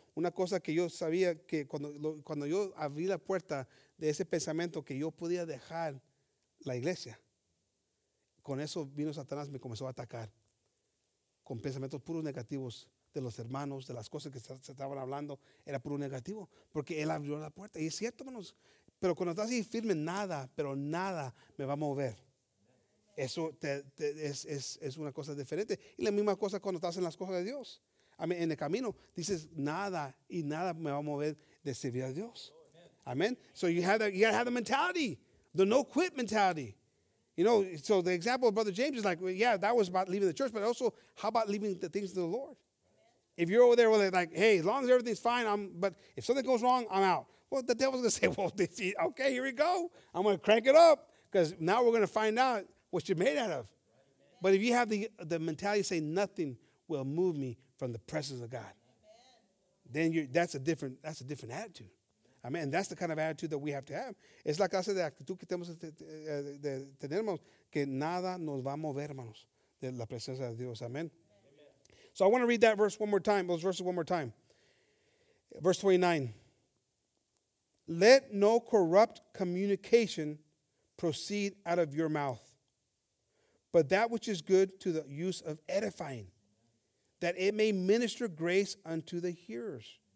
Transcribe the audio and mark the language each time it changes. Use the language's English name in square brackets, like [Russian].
[Spanish] una cosa que yo sabía que cuando yo abrí la puerta de ese pensamiento que yo podía dejar la iglesia, con eso vino Satanás, me comenzó a atacar con pensamientos puros negativos de los hermanos, de las cosas que se estaban hablando, era puro negativo, porque él abrió la puerta. Y es cierto, hermanos, pero cuando estás ahí firme, nada, pero nada me va a mover. Eso es una cosa diferente. Y la misma cosa cuando estás en las cosas de Dios. En el camino, dices, nada y nada me va a mover de servir a Dios. Amén. [English] So you have the mentality, the no quit mentality. You know, so the example of Brother James is like, well, yeah, that was about leaving the church, but also how about leaving the things to the Lord? If you're over there with it, like, hey, as long as everything's fine, but if something goes wrong, I'm out. Well, the devil's going to say, well, okay, here we go. I'm going to crank it up because now we're going to find out what you're made out of. But if you have the mentality, say, nothing will move me from the presence of God, then that's a different attitude. I mean, and that's the kind of attitude that we have to have. [Spanish] Es la clase de actitud que tenemos que tener, que nada nos va a mover, hermanos, de la presencia de Dios. Amen. [English] So I want to read that verse one more time, those verses one more time. Verse 29. Let no corrupt communication proceed out of your mouth, but that which is good to the use of edifying, that it may minister grace unto the hearers.